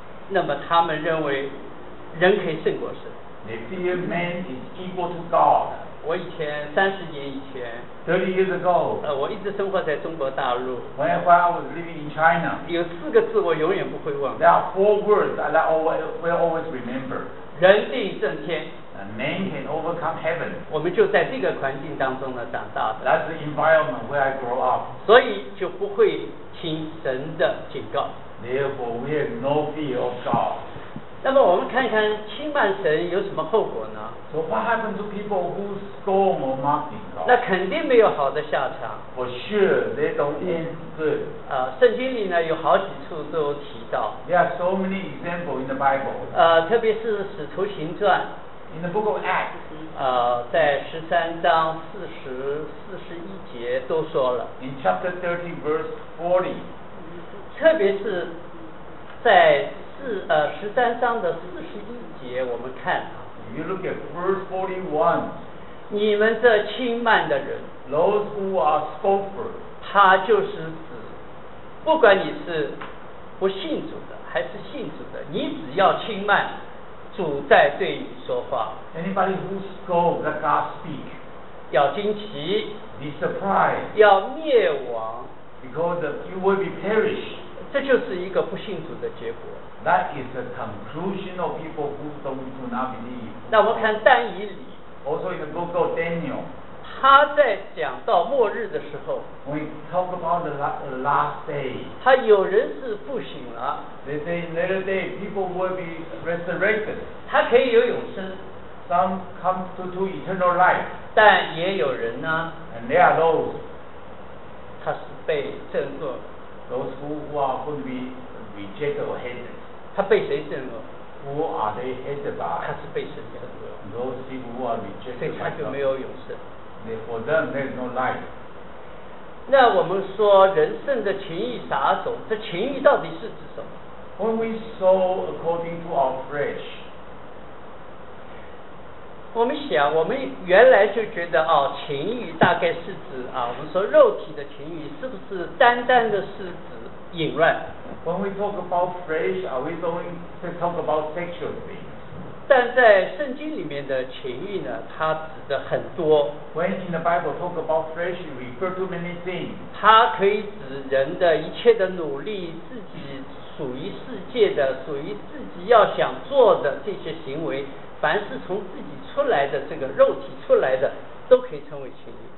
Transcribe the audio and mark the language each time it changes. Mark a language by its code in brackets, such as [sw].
[zh] 那么他们认为人可以胜过神。 [en] They fear man is equal to God. [zh] 我以前30年以前 [en] 30 years ago [zh] 我一直生活在中国大陆 [en] When I was living in China [zh] 有四个字我永远不会忘 [en] There are 4 words that I will always remember [zh] 人定胜天 [en] A man can overcome heaven [zh] 我们就在这个环境当中呢长大的 [en] That's the environment where I grow up [zh] 所以就不会听神的警告 [en] Therefore we have no fear of God [zh] 那么我们看一看轻慢神有什么后果呢 [en] So what happened to people who scorn or mock God? [zh] 那肯定没有好的下场 [en] For sure, they don't end good [zh] 圣经里呢有好几处都有提到 [en] There are so many examples in the Bible [zh] 特别是使徒行传 [en] In the book of Acts [zh] 在13章40-41节都说了 [en] In chapter 30 verse 40 [zh] 特别是在13章41节我们看 [en] You look at verse 41 [zh] 你们这轻慢的人 [en] Those who are scoffer [zh] 他就是指不管你是不信主的还是信主的你只要轻慢主在对你说话 [en] Anybody who scoff let God speak [zh] 要惊奇 [en] Be surprised [zh] 要灭亡 [en] Because you will be perished [zh] 这就是一个不信主的结果 [en] That is the conclusion of people who don't do not believe. [zh] 那我们看但以理。 [en] Also in the book of Daniel. [zh] 他在讲到末日的时候。 [en] When we talk about the last day. [zh] 他有人是复醒了。 [en] They say in later day people will be resurrected. [zh] 他可以有永生。 [en] Some come to eternal life. [zh] 但也有人呢。 [en] And they are those. [zh] 他是被憎恶。 [en] Those who are going to be rejected or hated. [zh] 他被谁憎恶 [en] Who are they hated by? [zh] 他是被神憎恶 [en] Those people who are rejected by God [zh] 所以他就没有永生 [en] For them there is no life [zh] 那我们说人圣的情义啥种这情义到底是指什么 [en] When we sow according to our flesh [zh] 我们想我们原来就觉得哦，情义大概是指啊，我们说肉体的情义是不是单单的是指淫乱 [en] When we talk about flesh, are we going to talk about sexual things? [zh] 但在圣经里面的情欲呢，它指的很多。 [en] When in the Bible talk about flesh, it refers to many things. [zh] 它可以指人的一切的努力，自己属于世界的，属于自己要想做的这些行为，凡是从自己出来的这个肉体出来的，都可以称为情欲。